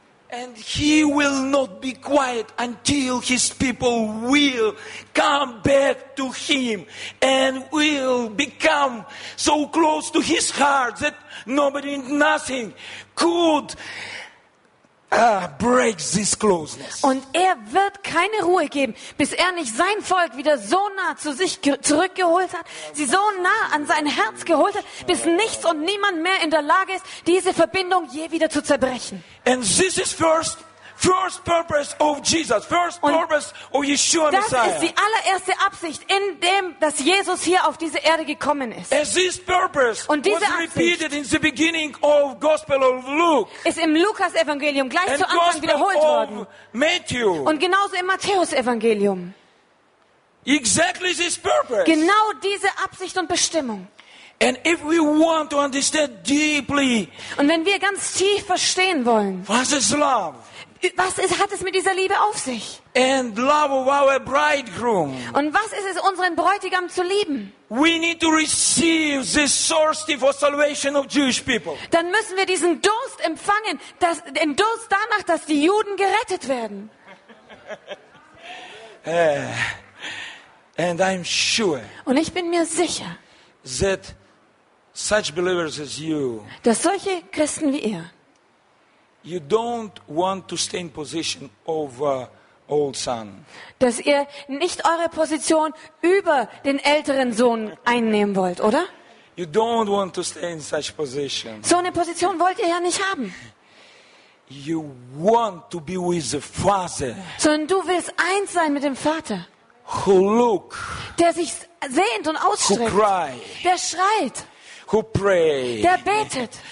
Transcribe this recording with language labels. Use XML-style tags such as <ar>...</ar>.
<en>And he will not be quiet until his people will come back to him and will become so close to his heart that nobody and nothing could breaks this closeness.</en> <de>Und er wird keine Ruhe geben, bis er nicht sein Volk wieder so nah zu sich zurückgeholt hat, sie so nah an sein Herz geholt hat, bis nichts und niemand mehr in der Lage ist, diese Verbindung je wieder zu zerbrechen.</de> <en>And this is first purpose of Jesus, first purpose of Yeshua Messiah.</en> <de>Das ist die allererste Absicht, in dem, dass Jesus hier auf diese Erde gekommen ist.</de> <en>And this purpose</en> <de>und diese</de> <en>was repeated in the beginning of Gospel of Luke.</en> <de>Ist im Lukas-Evangelium gleich zu Anfang wiederholt worden.</de> <en>Matthew.</en> <de>Und genauso im Matthäus-Evangelium.</de> <en>Exactly this purpose.</en> <de>Genau diese Absicht und Bestimmung.</de> <en>And if we want to understand deeply,</en> <de>und wenn wir ganz tief verstehen wollen, was ist</de> <en>Love?</en> <de>Was ist, hat es mit dieser Liebe auf sich?</de> <en>And love of our bridegroom.</en> <de>Und was ist es, unseren Bräutigam zu lieben?</de> <en>We need to receive this thirsty for salvation of Jewish people.</en> <de>Dann müssen wir diesen Durst empfangen, dass, den Durst danach, dass die Juden gerettet werden.</de> <en>And I'm sure.</en> <de>Und ich bin mir sicher,</de> <en>that such believers as you,</en> <de>dass solche Christen wie ihr,</de> <en>you don't want to stay in position of old son.</en> <de>Dass ihr nicht eure Position über den älteren Sohn einnehmen wollt, oder?</de> <en>You don't want to stay in such position.</en> <de>So eine Position wollt ihr ja nicht haben.</de> <en>You want to be with the Father.</en> <de>Sondern du willst eins sein mit dem Vater.</de> <en>Who look?</en> <de>Der sich sehnt und ausstreckt.</de> <en>Who cry?</en> <de>Der schreit.</de> <en>Who pray?</en> <de>Der betet.</de>